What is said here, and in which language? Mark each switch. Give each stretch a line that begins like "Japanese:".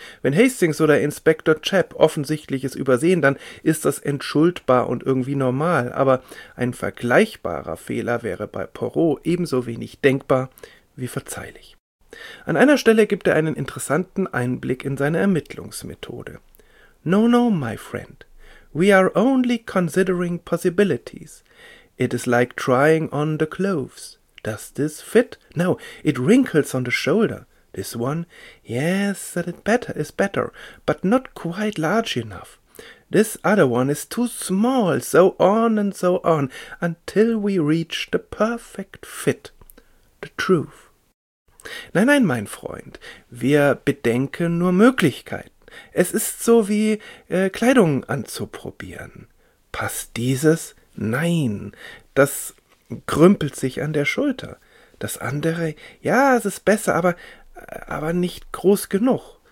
German: Wenn Hastings oder Inspektor Chapp Offensichtliches übersehen, dann ist das entschuldbar und irgendwie normal, aber ein vergleichbarer Fehler wäre bei Poirot ebenso wenig denkbar wie verzeihlich. An einer Stelle gibt er einen interessanten Einblick in seine Ermittlungsmethode.
English: »No, no, my friend. We are only considering possibilities.« It is like trying on the clothes. Does this fit? No, it wrinkles on the shoulder. This one? Yes, that it better is better, but not quite large enough. This other one is too small, so on and so on, until we reach the perfect fit. The truth.
German: Nein, nein, mein Freund, wir bedenken nur Möglichkeiten. Es ist so wie Kleidung anzuprobieren. Passt dieses? Nein, das krümpelt sich an der Schulter. Das andere, ja, es ist besser, aber nicht groß genug.